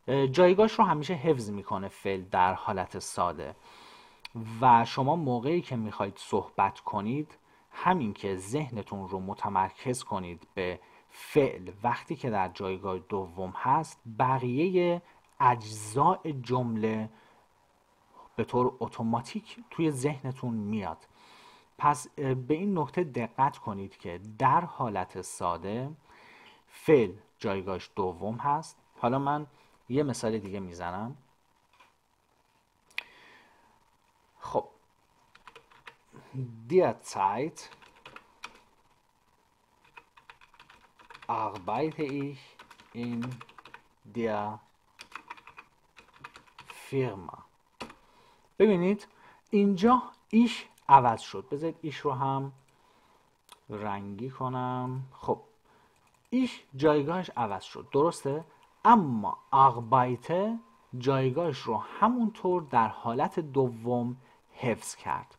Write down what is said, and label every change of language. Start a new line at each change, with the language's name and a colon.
Persian: جایگاهش رو همیشه حفظ میکنه فعل در حالت ساده و شما موقعی که میخواید صحبت کنید همین که ذهنتون رو متمرکز کنید به فعل وقتی که در جایگاه دوم هست، بقیه اجزای جمله به طور اتوماتیک توی ذهنتون میاد. پس به این نکته دقت کنید که در حالت ساده فعل جایگاهش دوم هست. حالا من یه مثال دیگه میزنم.
German: خب Derzeit arbeite ich in der Firma.
Persian: ببینید اینجا ایش عوض شد. بذارید ایش رو هم رنگی کنم. خب ایش جایگاهش عوض شد، درسته؟ اما آغبایته جایگاهش رو همونطور در حالت دوم حفظ کرد.